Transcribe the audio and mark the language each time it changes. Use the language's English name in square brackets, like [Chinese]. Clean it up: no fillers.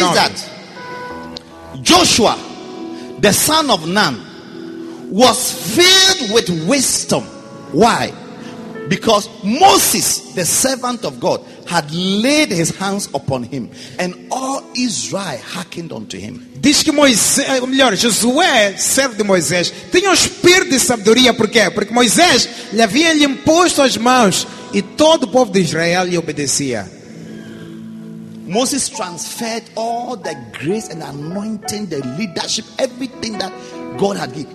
[English] It says that Joshua, the son of Nun, was filled with wisdom. Why? Because Moses, the servant of God, had laid his hands upon him, and all Israel hearkened unto him. [Portuguese] Diz que Moisés, ou melhor, Josué, servo de Moisés, tinha um espírito de sabedoria. Por quê? Porque Moisés lhe havia imposto as mãos e todo o povo de Israel lhe obedecia. [English] Moses transferred all the grace and anointing, the leadership, everything that God had given.